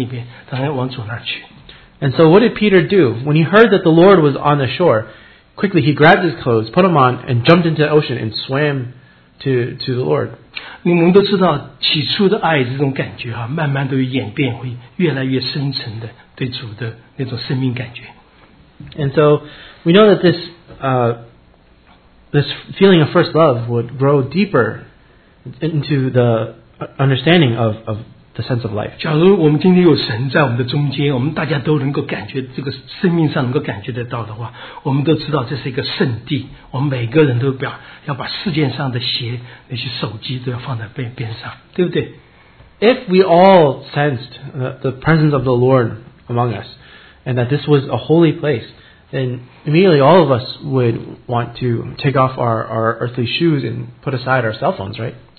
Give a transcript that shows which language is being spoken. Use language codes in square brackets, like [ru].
[zh] 赶快抓件衣服，把穿上，然后跳到海里。你就是跳海，你就打湿了。但是他顾不上那么多，因为岸上是主站在那儿的。穿上衣服，赶快就跳到海里边，当然往左那儿去。 [en] And so, what did Peter do when he heard that the Lord was on the shore? Quickly, he grabbed his clothes, put them on, and jumped into the ocean and swam to the Lord. [zh] 你们都知道，起初的爱这种感觉，慢慢都演变，会越来越深沉的对主的那种生命感觉。 [en] And so, we know that this this feeling of first love would grow deeper into the understanding of the sense of life. [zh] 假如我们今天有神在我们的中间，我们大家都能够感觉这个生命上能够感觉得到的话，我们都知道这是一个圣地。我们每个人都把世界上的鞋、那些手机都要放在边上，对不对？ [en] If we all sensed the presence of the Lord among us, and that this was a holy place, then immediately all of us would want to take off our earthly shoes and put aside our cell phones, right?